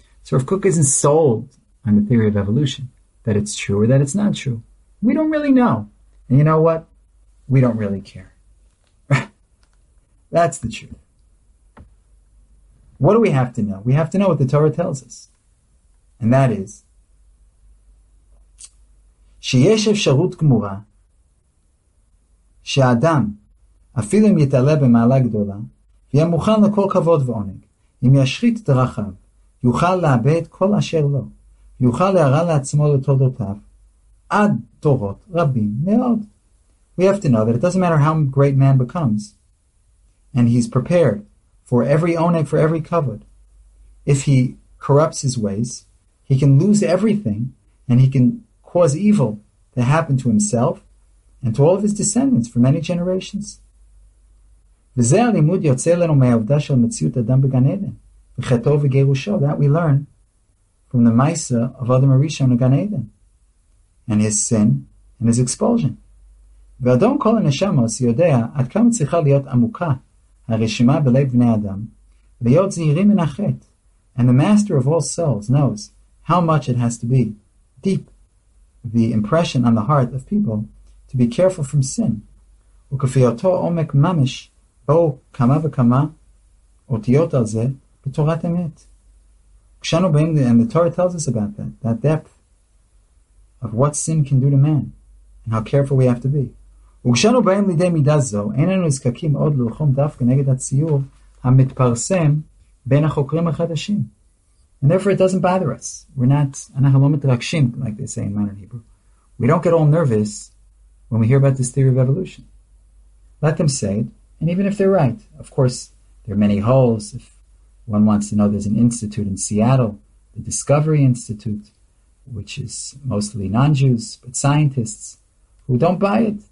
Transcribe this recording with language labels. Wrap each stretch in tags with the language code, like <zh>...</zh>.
<en>So Rav Kook isn't sold on the theory of evolution, that it's true or that it's not true. We don't really know. And you know what? We don't really care. That's the truth. What do we have to know? We have to know what the Torah tells us. And that is,</en> <he>שיש אפשרות גמורה שאדם אפילו אם יתעלה במעלה גדולה ויהיה מוכן לכל כבוד ועונג, אם ישחית דרכיו, יוכל לאבד כל אשר לו, יוכל להרע לעצמו לתולדותיו עד דורות רבים מאוד.</he> <en>We have to know that it doesn't matter how great man becomes, and he's prepared for every oneg, for every kavod. If he corrupts his ways, he can lose everything, and he can cause evil to happen to himself and to all of his descendants for many generations.</en> <he>וזה הלימוד יוצא לנו מהעובדה של מציאות אדם בגן עדן, וחטאו וגירושו.</he> <en>That we learn from the Maisa of Adam HaRishon in Gan Eden, and his sin and his expulsion.</en> <he>ואדון כל הנשמה עושה יודע עד כמה צריכה להיות עמוקה הרשימה בלב בני אדם, להיות זהירים מן החטא.</he> <en>And the master of all souls knows how much it has to be deep, the impression on the heart of people to be careful from sin.</en> <he>וכפי אותו עומק ממש, בואו כמה וכמה אותיות על זה בתורת אמת. כשאנו באים,</he> <en>and the Torah tells us about that, that depth of what sin can do to man, and how careful we have to be.</en> <he>וכשאנו באים לידי מידה זו, איננו נזקקים עוד ללחום דווקא נגד הציור המתפרסם בין החוקרים החדשים.</he> <en>And therefore it doesn't bother us.</en> <he>אנחנו לא מתרגשים,</he> <en>like they say in modern Hebrew. We don't get all nervous when we hear about this theory of evolution. Let them say it, and even if they're right, of course, there are many holes. If one wants to know, there's an institute in Seattle, the Discovery Institute, which is mostly non-Jews, but scientists who don't buy it.</en>